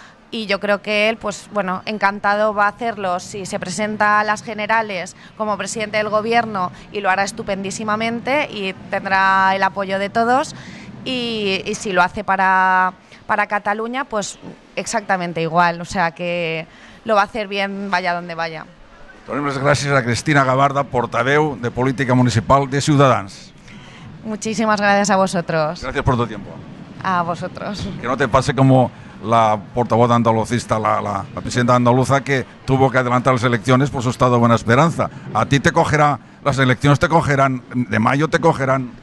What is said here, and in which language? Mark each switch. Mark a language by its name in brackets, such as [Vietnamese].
[Spanish] Y yo creo que él, pues bueno, encantado va a hacerlo si se presenta a las generales como presidente del gobierno, y lo hará estupendísimamente y tendrá el apoyo de todos. Y si lo hace para Cataluña, pues exactamente igual. O sea que lo va a hacer bien vaya donde vaya. [Catalan] Donem les gràcies a Cristina Gavarda, portaveu de Política Municipal de Ciutadans. [Spanish] Muchísimas gracias a vosotros. Gracias por tu tiempo. A vosotros. Que no te pase como la portavoz andalucista, la presidenta andaluza, que tuvo que adelantar las elecciones por su estado de Buena Esperanza. A ti te cogerá, las elecciones te cogerán, de mayo te cogerán.